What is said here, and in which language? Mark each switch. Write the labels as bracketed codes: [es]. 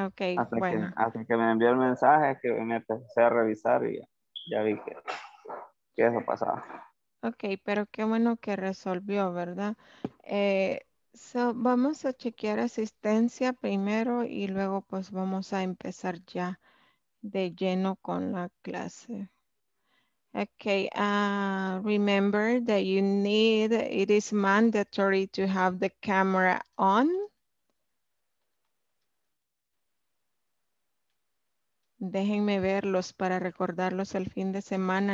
[es] hasta que me envió el mensaje, que me empecé a revisar y ya vi que eso pasaba. Ok, pero qué bueno que resolvió, ¿verdad? Vamos a chequear asistencia primero y luego pues vamos a empezar ya de lleno con la clase. [en] Okay, remember that you need, it is mandatory to have the camera on. [es] Déjenme verlos para recordarlos el fin de semana.